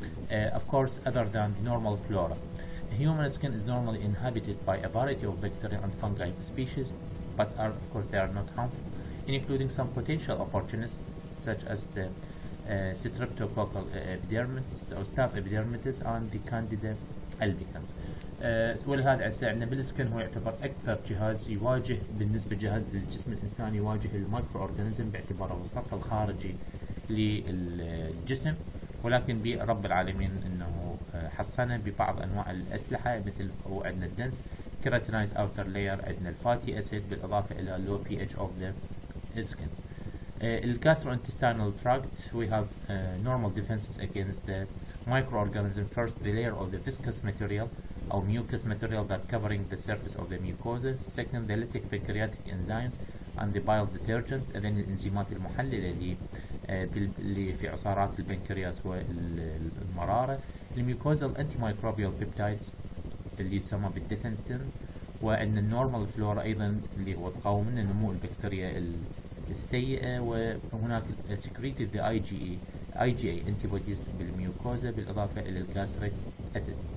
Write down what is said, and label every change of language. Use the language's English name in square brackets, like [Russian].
[English] Of course, other than the normal flora, the human skin is normally inhabited by a variety of bacteria and fungi species, but are, of course, they are not harmful, including some potential opportunists such as the streptococcal epidermis or staph epidermis and the candida albicans. [Arabic] ولهذا عندنا بالسكن هو يعتبر اكثر جهاز يواجه بالنسبه لجهاز الجسم الانساني يواجه المايكرو اورجانيزم باعتباره السطح الخارجي للجسم، ولكن برب العالمين انه حصنه ببعض انواع الاسلحه مثل هو عندنا الدنس كيراتينايز اوتر لاير، عندنا الفاتي اسيد بالاضافه الى لو بي اتش اوف ذا سكن. [English] Gastrointestinal tract, we have normal defenses against the microorganism. First, the layer of the viscous material or mucous material that covering the surface of the mucosa. Second, the lytic pancreatic enzymes and the bile detergent. And then the enzymes [Arabic] المحللة اللي في عصارات البنكرياس والمرارة. [English] The mucosal antimicrobial peptides [Arabic] اللي يسمى بالديفنسين. وأن النورمال فلورا أيضا اللي هو تقاوم نمو البكتيريا السيئة، وهناك [English] secreted the IgA antibodies [Arabic] بالميوكوزا بالإضافة إلى الجاستريك أسيد.